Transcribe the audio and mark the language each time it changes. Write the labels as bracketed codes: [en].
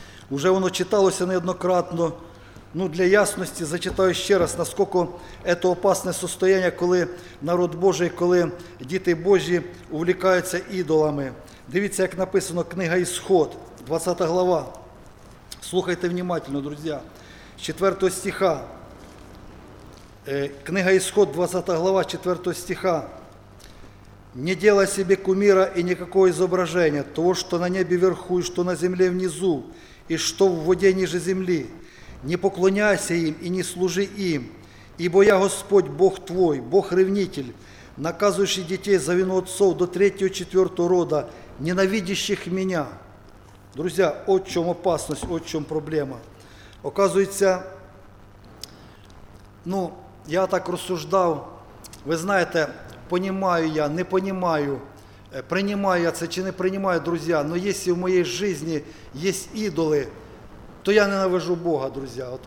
[uk] Уже воно читалося неоднократно. Ну, для ясності зачитаю ще раз, наскільки це опасне [ru] состояние, [uk] коли народ Божий, коли діти Божі увлікаються ідолами. Дивіться, як написано книга «Ісход», 20 глава. Слухайте [ru] внимательно, [uk] друзі. [ru] 4 стиха, книга Исход, 20 глава, 4 стиха. «Не делай себе кумира и никакого изображения того, что на небе вверху, и что на земле внизу, и что в воде ниже земли. Не поклоняйся им и не служи им, ибо я Господь, Бог твой, Бог-ревнитель, наказывающий детей за вину отцов до третьего, четвертого рода, ненавидящих меня». Друзья, о чем опасность, о чем проблема. [uk] Оказується, ну, я так розсуждав, ви знаєте, понімаю я, не понімаю, приймаю я це чи не приймаю, друзі, але якщо в моїй житті є ідоли, то я ненавижу Бога, друзі.